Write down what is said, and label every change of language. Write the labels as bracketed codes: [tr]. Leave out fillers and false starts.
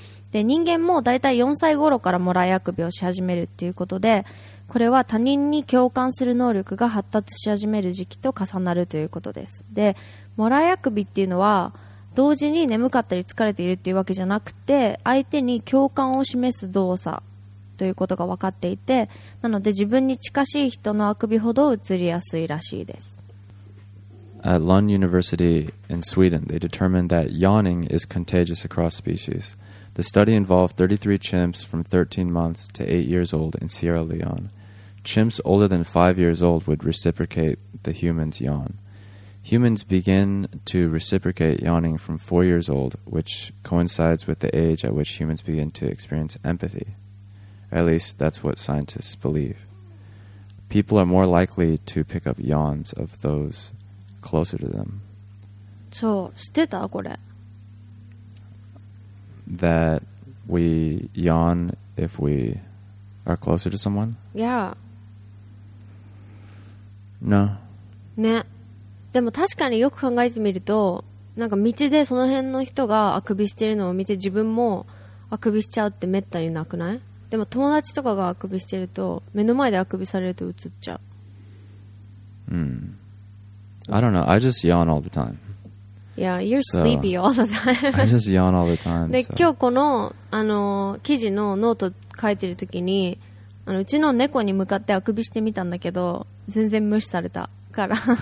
[ja] で、人間もだいたい4歳頃からもらいあくびをし始めるっていうことで、これは他人に共感する能力が発達し始める時期と重なるということです。で、もらいあくびっていうのは同時に眠かったり疲れているっていうわけじゃなくて、相手に共感を示す動作ということが分かっていて、なので自分に近しい人のあくびほど移りやすいらしいです。 [en] At Lund University in Sweden, they determined that yawning is contagious across species. The study involved 33 chimps from 13 months to 8 years old in Sierra Leone. Chimps older than 5 years old would reciprocate the human's yawn. Humans begin to reciprocate yawning from 4 years old, which coincides with the age at which humans begin to experience empathy. At least that's what scientists believe. People are more likely to pick up yawns of those closer to them. [ja] そう、知ってた？これ。 [en] That we yawn if we are closer to someone? Yeah. No. [ja] ね。でも確かによく考えてみると、なんか道でその辺の人があくびしてるのを見て自分もあくびしちゃうってめったになくない？でも友達とかがあくびしてると、目の前であくびされるとうつっちゃう。 Mm. [en] I don't know. I just yawn all the time. Yeah, you're sleepy all the time. I just yawn all the time. [ja] で、今日この、記事のノート書いてるときに、うちの猫に向かってあくびしてみたんだけど、全然無視されたから。